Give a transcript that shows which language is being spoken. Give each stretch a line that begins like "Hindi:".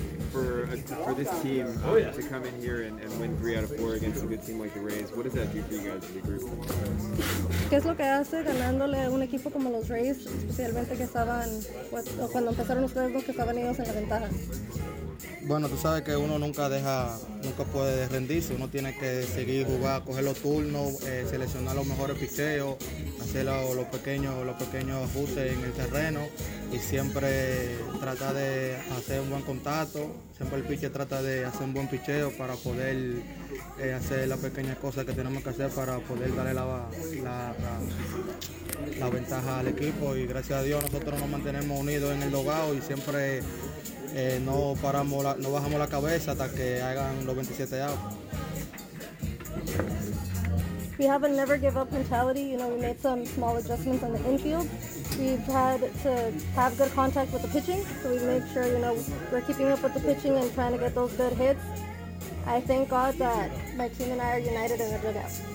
English: For this team to come in here and win 3 out of 4 against a good team like the Rays, what does that do for you guys as a group?
Spanish: ¿Qué es lo que hace ganándole un equipo como los Rays, especialmente que estaban o cuando empezaron ustedes dos que estaban ellos en la ventaja? Bueno, tú sabes que uno nunca puede rendirse. Uno tiene que seguir jugando, coger los turnos, seleccionar los mejores picheos, hacer los pequeños ajustes en el terreno y siempre tratar de hacer un buen contacto. Siempre el piche trata de hacer un buen picheo para poder hacer las pequeñas cosas que tenemos que hacer para poder darle la ventaja al equipo. Y gracias a Dios nosotros nos mantenemos unidos en el dogado y siempre no bajamos la cabeza hasta que hagan los 27 outs.
English: We have a never give up mentality. You know, we made some small adjustments on the infield. We've had to have good contact with the pitching, so we make sure, you know, we're keeping up with the pitching and trying to get those good hits. I thank God that my team and I are united in the dugout.